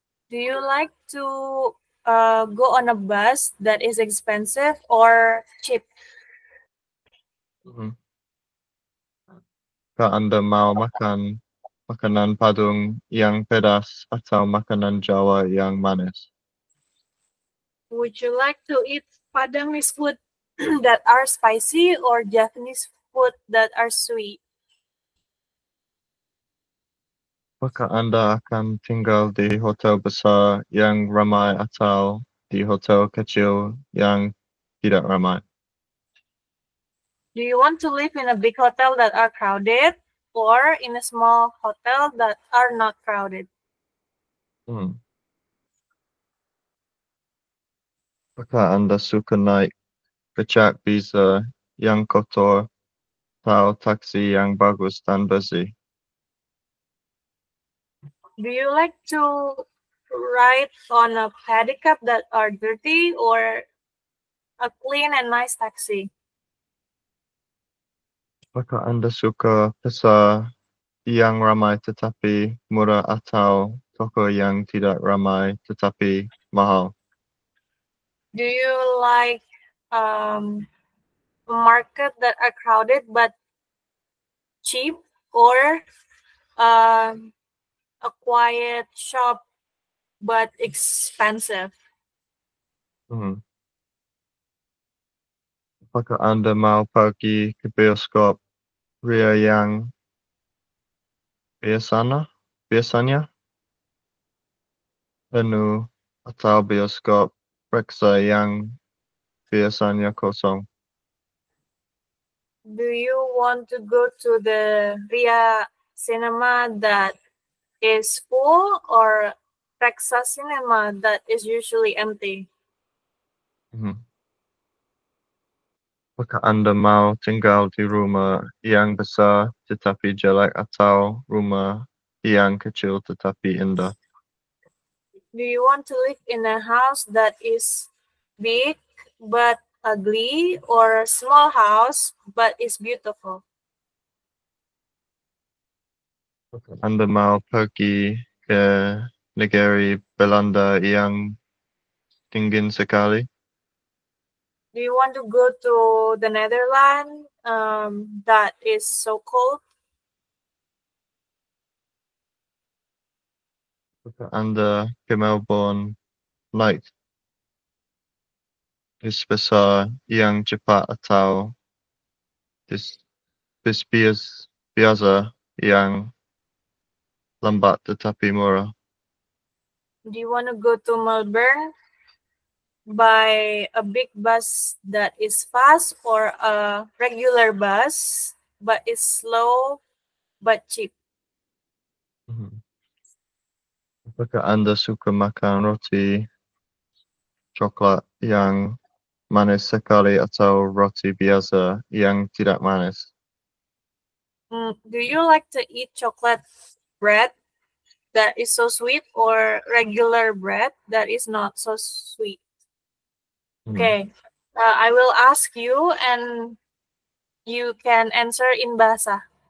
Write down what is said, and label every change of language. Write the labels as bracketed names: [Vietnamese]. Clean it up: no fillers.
[English] Do you like to go on a bus that is expensive or cheap? [Indonesian] Kalau Anda mau makan makanan Padang yang pedas atau makanan Jawa yang manis? [English] Would you like to eat Padangese food that are spicy or Japanese food that are sweet? [Indonesian] Apakah Anda akan tinggal di hotel besar yang ramai atau di hotel kecil yang tidak ramai? [English] Do you want to live in a big hotel that are crowded or in a small hotel that are not crowded? [Indonesian] Apakah Anda suka naik becak biza yang kotor atau taksi yang bagus dan bersih? [English] Do you like to ride on a pedicab that are dirty or a clean and nice taxi? [Indonesian] Apakah Anda suka pasar yang ramai tetapi murah atau toko yang tidak ramai tetapi mahal? [English] Do you like a market that are crowded but cheap or a quiet shop but expensive? [Indonesian] Apakah Anda mau pergi ke bioskop Ria yang biasanya penuh atau bioskop periksa yang biasanya kosong? [English] Do you want to go to the Ria Cinema that is full or Rexa Cinema that is usually empty? [Indonesian] Apakah Anda mau tinggal di rumah yang besar tetapi jelek atau rumah yang kecil tetapi indah? [English] Do you want to live in a house that is big but ugly or a small house but is beautiful? [Indonesian] Anda mau pergi ke negeri Belanda yang dingin sekali? [English] Do you want to go to the Netherlands, that is so cold? [Indonesian] Apakah Anda ke Melbourne naik bis besar yang cepat atau bis biasa yang lambat tetapi murah? [English] Do you want to go to Melbourne by a big bus that is fast or a regular bus but is slow but cheap? [Indonesian] Apakah Anda suka makan roti coklat yang manis sekali atau roti biasa yang tidak manis? [English] Do you like to eat chocolate bread that is so sweet or regular bread that is not so sweet? Okay, I will ask you and you can answer in bahasa.